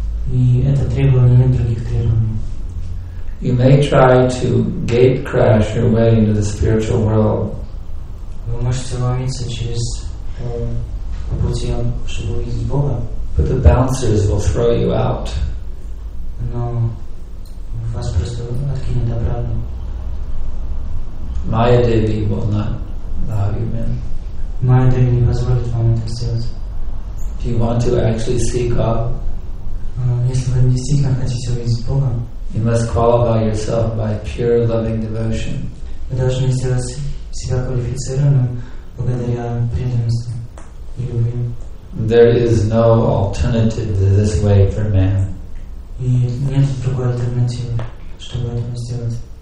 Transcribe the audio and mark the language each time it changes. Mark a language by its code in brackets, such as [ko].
[ru] И это требование, нет других требований. [en] You may try to gate crash your way into the spiritual world. [ru] Вы можете ломиться через пути, чтобы увидеть Бога. [en] But the bouncers will throw you out. [ru] Но вас просто откинут обратно. [en] Maya Devi will not allow you in. [ru] Maya Devi не позволит вам это сделать. [en] Do you want to actually see God? [ru] Если вы действительно хотите увидеть Бога, [en] you must qualify yourself by pure loving devotion. [ru] Вы должны сделать себя квалифицированным благодаря преданности и любви. [en] There is no alternative to this way for man. [ru] И нет другой альтернативы, чтобы это сделать.